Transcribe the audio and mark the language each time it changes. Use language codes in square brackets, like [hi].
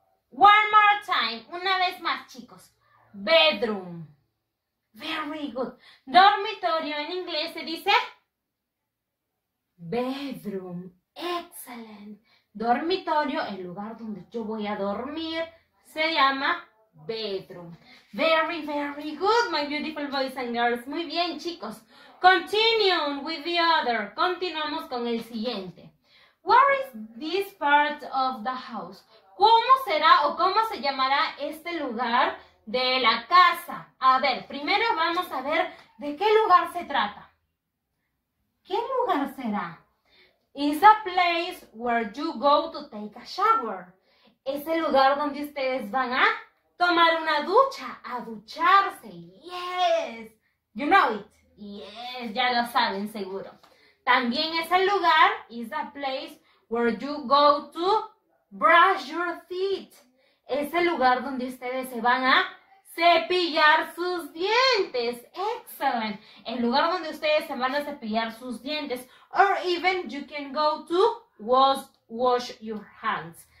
[en] One more time. [es] Una vez más, chicos. [en] Bedroom. Very good. [es] Dormitorio en inglés se dice bedroom. [en] Excellent. [es] Dormitorio, el lugar donde yo voy a dormir, se llama bedroom. [en] Very, very good, my beautiful boys and girls. [es] Muy bien, chicos. [en] Continue with the other. [es] Continuamos con el siguiente. [en] Where is this part of the house? [es] ¿Cómo será o cómo se llamará este lugar de la casa? A ver, primero vamos a ver de qué lugar se trata. ¿Qué lugar será? [en] Is a place where you go to take a shower. [es] Es el lugar donde ustedes van a tomar una ducha, a ducharse. [en] Yes, you know it. Yes, [es] ya lo saben seguro. También es el lugar, [en] is a place where you go to brush your teeth. [es] Es el lugar donde ustedes se van a cepillar sus dientes. Excellent. El lugar donde ustedes se van a cepillar sus dientes. [en] Or even you can go to wash your hands.